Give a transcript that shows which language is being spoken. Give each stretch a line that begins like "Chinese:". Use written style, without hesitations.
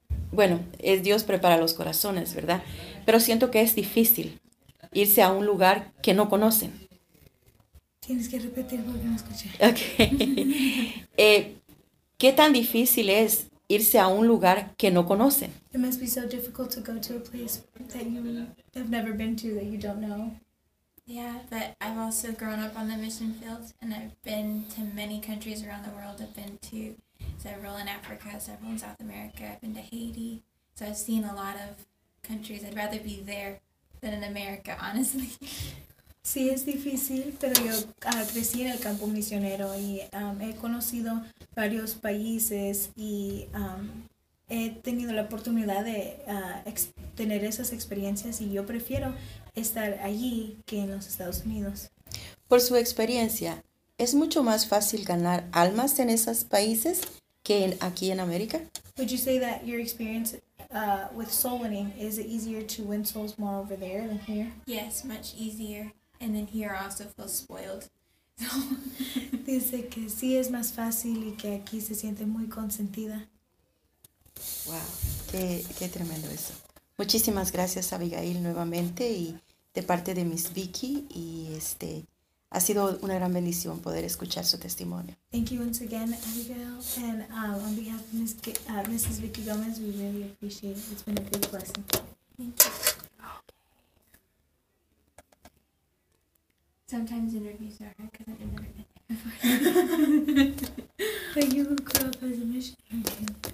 Spanish: Bueno, es Dios prepara los corazones, ¿verdad? Pero siento que es difícil irse a un lugar que no conocen. Tienes que repetir porque no escuché.
English: Okay.
Spanish: ¿Qué tan difícil es irse a un lugar que no conocen?
English: It must be so difficult to go to a place that you have never been to, that you don't know. Yeah, but I've also grown up on the mission field, and I've been to many countries around the world. I've been to several in Africa, several in South America. I've been to Haiti. So I've seen a lot of countries. I'd rather be there than in America, honestly.
Spanish: Sí, es difícil, pero yo crecí en el campo misionero y he conocido varios países y he tenido la oportunidad de tener esas experiencias y yo prefiero estar allí que en los Estados Unidos. Por su experiencia, ¿es mucho más fácil ganar almas en esos países que aquí en América?
English: Would you say that your experience with soul winning, is it easier to win souls more over there than here? Yes, much easier. And then here also feels spoiled. So,
Spanish: dice que sí es más fácil y que aquí se siente muy consentida. Wow, qué tremendo eso. Muchísimas gracias Abigail nuevamente y de parte de Miss Vicky y este... Ha sido una gran bendición poder escuchar su testimonio.
English: Thank you once again, Abigail. And on behalf of Mrs. Vicky Gomez, we really appreciate it. It's been a big blessing. Thank you. Okay. Sometimes interviews are hard because I've never been there before. But you grew up as a missionary kid.